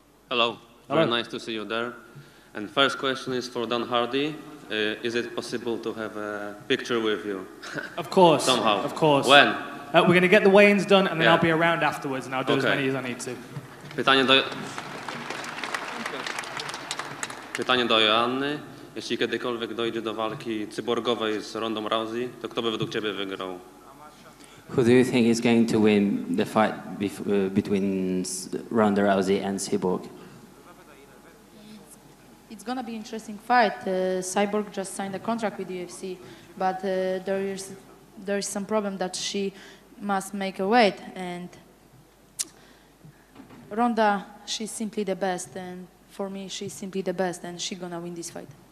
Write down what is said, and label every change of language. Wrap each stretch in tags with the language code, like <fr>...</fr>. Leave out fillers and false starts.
<en>Hello. Very nice to see you there. And first question is for Dan Hardy. Is it possible to have a picture with you? Of course. Somehow. Of course. When? We're going to get the weigh-ins done, and then I'll be around afterwards, and I'll do as many as I need to.</en> <pl>Pytanie do Joanny. Jeśli kiedykolwiek dojdzie do walki cyborgowej z Rondą Rousey, to kto by według Ciebie wygrał?</pl> <en>Who do you think is going to win the fight between Ronda Rousey and Cyborg? It's going to be an interesting fight. Cyborg just signed a contract with the UFC, but there is some problem that she must make a weight, and Ronda, she's simply the best, and for me, she's simply the best, and she's gonna win this fight.</en>